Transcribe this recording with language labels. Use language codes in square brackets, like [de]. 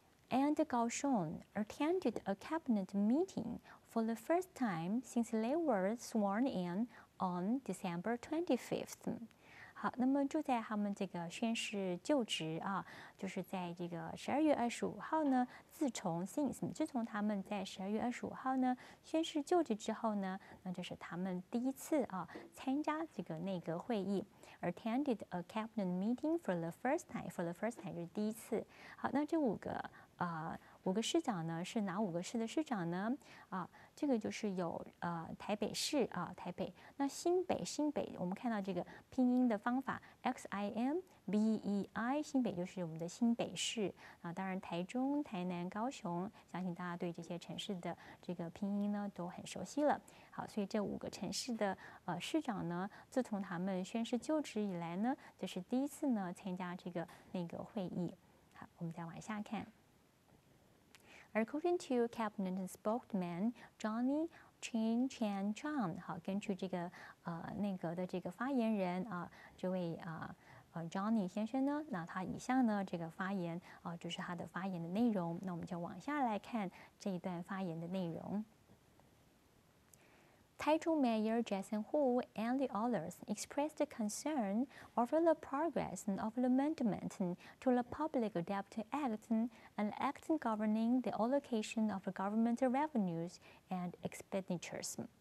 [en] And Kaohsiung attended a cabinet meeting for the first time since they were sworn in on December 25th. [zh] 好，那么就在他们这个宣誓就职啊，就是在这个十二月二十五号呢，自从他们在十二月二十五号呢宣誓就职之后呢，那就是他们第一次啊参加这个内阁会议。 [en] Attended a cabinet meeting for the first time. For the first time [zh] 就是第一次。好，那这五个市长呢是哪五个市的市长呢？啊，这个就是有台北市啊，台北。那新北，我们看到这个拼音的方法 ，ximbei， 新北就是我们的新北市啊。当然，台中、台南、高雄，相信大家对这些城市的这个拼音呢都很熟悉了。好，所以这五个城市的市长呢，自从他们宣誓就职以来呢，就是第一次呢参加这个内阁会议。好，我们再往下看。 [en] According to cabinet spokesman Johnny Chen Chan Chan, [zh] 好，根据这个内阁的这个发言人啊，这位Johnny 先生呢，那他以下呢这个发言啊，就是他的发言的内容。那我们就往下来看这一段发言的内容。 [en] Taichung Mayor Jason Hu and the others expressed concern over the progress of the amendment to the Public Debt Act, an act governing the allocation of government revenues and expenditures.